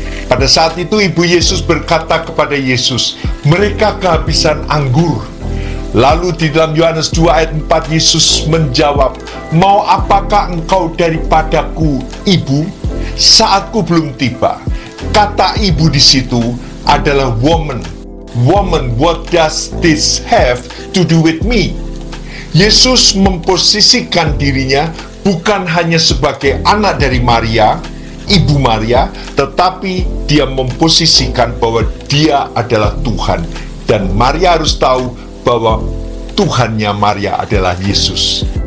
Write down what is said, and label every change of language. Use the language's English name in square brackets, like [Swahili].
[Indonesian] Pada saat itu ibu Yesus berkata kepada Yesus, mereka kehabisan anggur. Lalu di dalam Yohanes 2 ayat 4 Yesus menjawab, mau apakah engkau daripadaku ibu, saatku belum tiba. Kata ibu di situ adalah woman. [English] Woman, what does this have to do with me? [Indonesian] Yesus memposisikan dirinya bukan hanya sebagai anak dari Maria, ibu Maria, tetapi dia memposisikan bahwa dia adalah Tuhan. Dan Maria harus tahu bahwa Tuhannya Maria adalah Yesus.